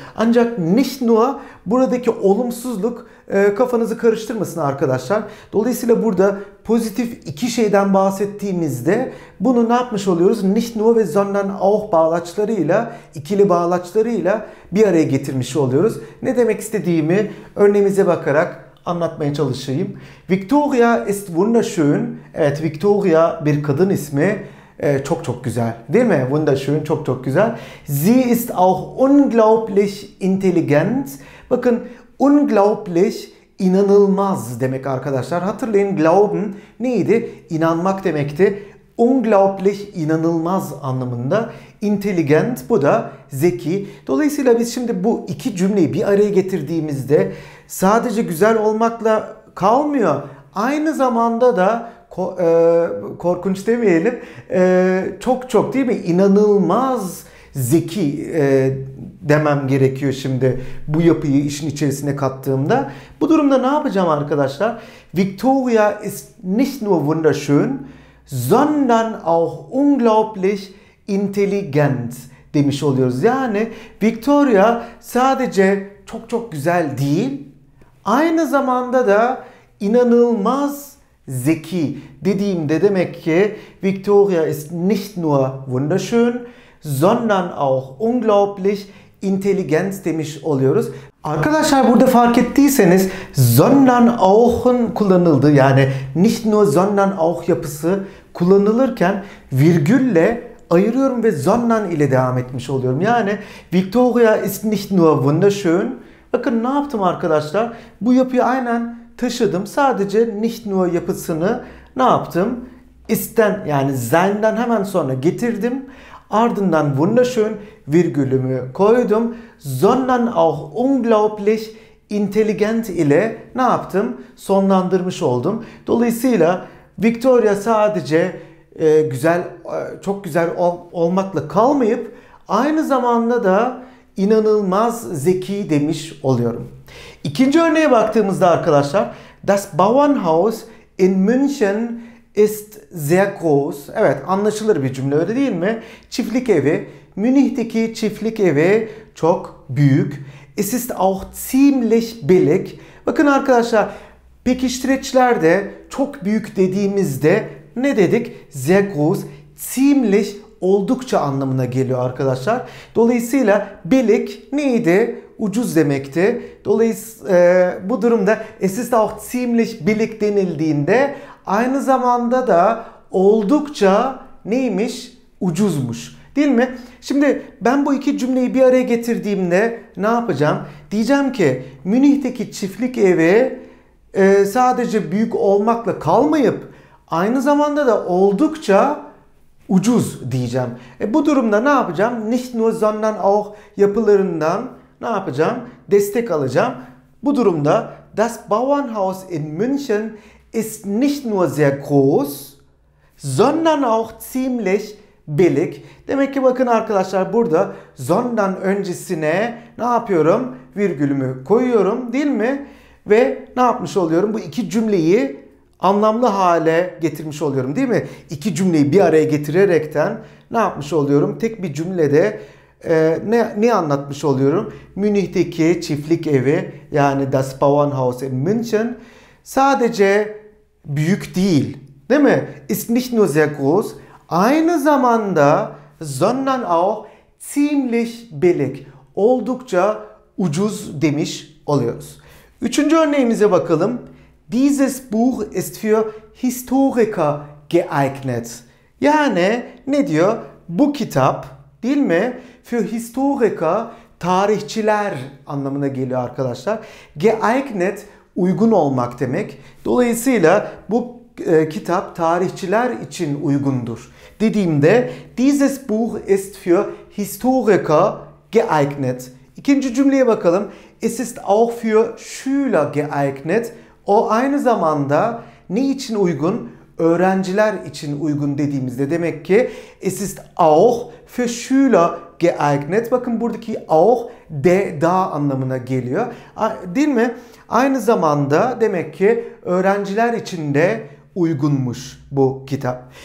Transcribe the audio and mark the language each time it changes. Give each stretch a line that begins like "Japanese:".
Turkish: Ancak nicht nur, buradaki olumsuzluk kafanızı karıştırmasın arkadaşlar. Dolayısıyla burada pozitif iki şeyden bahsettiğimizde bunu ne yapmış oluyoruz? Nicht nur ve sondern auch bağlaçlarıyla, ikili bağlaçlarıyla bir araya getirmiş oluyoruz. Ne demek istediğimi örneğimize bakarak anlatmaya çalışayım.
German: Victoria ist wunderschön.
Turkish: Evet, Victoria bir kadın ismi. Çok çok güzel. Değil mi? Wunderschön, çok çok güzel.
German: Sie ist auch unglaublich intelligent.
Turkish: Bakın, unglaublich, inanılmaz demek arkadaşlar. Hatırlayın, glauben neydi? İnanmak demekti. Unglaublich, inanılmaz anlamında. Intelligent, bu da zeki. Dolayısıyla biz şimdi bu iki cümleyi bir araya getirdiğimizde sadece güzel olmakla kalmıyor. Aynı zamanda da korkunç demeyelim, çok çok, değil mi? İnanılmaz zeki demem gerekiyor şimdi bu yapıyı işin içerisine kattığımda. Bu durumda ne yapacağım arkadaşlar?
German: Victoria ist nicht nur wunderschön, sondern auch unglaublich intelligent
Turkish: demiş oluyoruz. Yani Victoria sadece çok çok güzel değil, aynı zamanda da inanılmaz zeki dediğimde demek ki
German: Victoria ist nicht nur wunderschön, sondern auch unglaublich intelligent
Turkish: demiş oluyoruz. Arkadaşlar, burada fark ettiyseniz sondern auch'un kullanıldığı, yani nicht nur sondern auch yapısı kullanılırken virgülle ayırıyorum ve sondern ile devam etmiş oluyorum.
German: Yani Victoria ist nicht nur wunderschön.
Turkish: Bakın ne yaptım arkadaşlar? Bu yapıyı aynen taşıdım. Sadece nicht nur yapısını ne yaptım? Ist'ten, yani sein'den hemen sonra getirdim. Ardından wunderschön virgülümü koydum.
German: Sondern auch unglaublich intelligent
Turkish: ile ne yaptım? Sonlandırmış oldum. Dolayısıyla Victoria sadece güzel, çok güzel olmakla kalmayıp aynı zamanda da inanılmaz zeki demiş oluyorum. İkinci örneğe baktığımızda arkadaşlar,
German: das Bauernhaus in München ist sehr groß.
Turkish: Evet, anlaşılır bir cümle, öyle değil mi? Çiftlik evi, Münih'teki çiftlik evi çok büyük.
German: Es ist auch ziemlich billig.
Turkish: Bakın arkadaşlar, pekiştireçlerde çok büyük dediğimizde ne dedik? Sehr groß, ziemlich, oldukça anlamına geliyor arkadaşlar. Dolayısıyla billig neydi? Ucuz demekti. Dolayısıyla bu durumda
German: es ist auch ziemlich billig
Turkish: denildiğinde aynı zamanda da oldukça neymiş? Ucuzmuş. Değil mi? Şimdi ben bu iki cümleyi bir araya getirdiğimde ne yapacağım? Diyeceğim ki Münih'teki çiftlik evi sadece büyük olmakla kalmayıp aynı zamanda da oldukça ucuz diyeceğim. Bu durumda ne yapacağım? Nicht nur, sondern auch yapılarından ne yapacağım? Destek alacağım. Bu durumda
German: das Bauernhaus in München ist nicht nur sehr groß, sondern auch ziemlich billig.
Turkish: Demek ki bakın arkadaşlar, burada sondern öncesine ne yapıyorum? Virgülümü koyuyorum, değil mi? Ve ne yapmış oluyorum? Bu iki cümleyi anlamlı hale getirmiş oluyorum, değil mi? İki cümleyi bir araya getirerekten ne yapmış oluyorum? Tek bir cümlede ne anlatmış oluyorum? Münih'teki çiftlik evi, yani
German: das Bauernhaus in München,
Turkish: sadece büyük değil, değil mi?
German: Ist nicht nur sehr groß,
Turkish: aynı zamanda
German: sondern auch ziemlich billig,
Turkish: oldukça ucuz demiş oluyoruz. Üçüncü örneğimize bakalım.
German: Dieses Buch ist für Historiker geeignet.
Turkish: Yani ne diyor? Bu kitap, değil mi? Für Historiker, tarihçiler anlamına geliyor arkadaşlar. Geeignet, uygun olmak demek. Dolayısıyla bu kitap tarihçiler için uygundur dediğimde
German: dieses Buch ist für Historiker geeignet.
Turkish: İkinci cümleye bakalım.
German: Es ist auch für Schüler geeignet.
Turkish: O aynı zamanda ne için uygun? Öğrenciler için uygun dediğimizde demek ki
German: es ist auch für Schüler geeignet.
Turkish: Bakın buradaki auch de da anlamına geliyor. Değil mi? Aynı zamanda demek ki öğrenciler için de uygunmuş bu kitap.